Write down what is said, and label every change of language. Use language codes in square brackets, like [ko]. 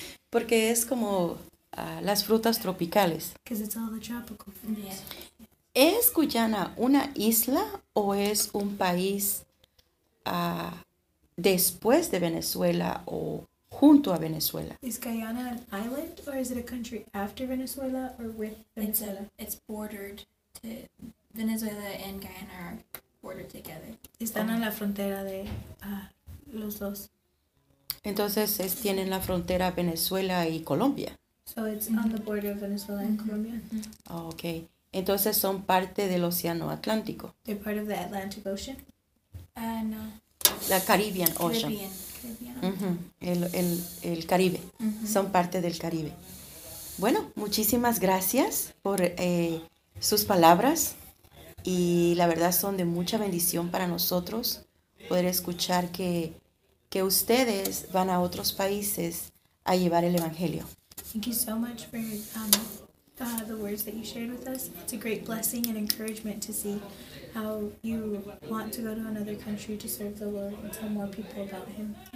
[es] Porque es como las frutas tropicales. [en] Because it's all the tropical fruits. Yeah. [es] ¿Es Guyana una isla o es un país después de Venezuela o junto a Venezuela? [en] Is Guyana an island or is it a country after Venezuela or with Venezuela? It's bordered to Venezuela and Guyana are bordered together. [es] Están en la frontera de los dos. Entonces tienen la frontera Venezuela y Colombia. [en] So it's on the border of Venezuela and Colombia. [es] Okay. Entonces son parte del Océano Atlántico. [en] They're part of the Atlantic Ocean. No. La Caribbean Ocean. Caribbean. [es] El Caribe. Son parte del Caribe. Bueno, muchísimas gracias por sus palabras. Y la verdad son de mucha bendición para nosotros poder escuchar que ustedes van a otros países a llevar el Evangelio. [en] Thank you so much for the words that you shared with us. It's a great blessing and encouragement to see how you want to go to another country to serve the Lord and tell more people about Him.